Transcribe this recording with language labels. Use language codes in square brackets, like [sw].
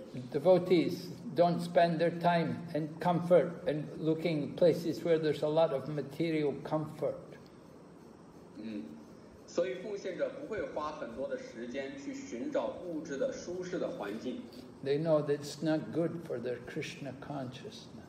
[en] Devotees don't spend their time in comfort and looking places where there's a lot of material comfort. [zh] 所以奉献者不会花很多的时间去寻找物质的舒适的环境。 [en] They know that it's not good for their Krishna consciousness.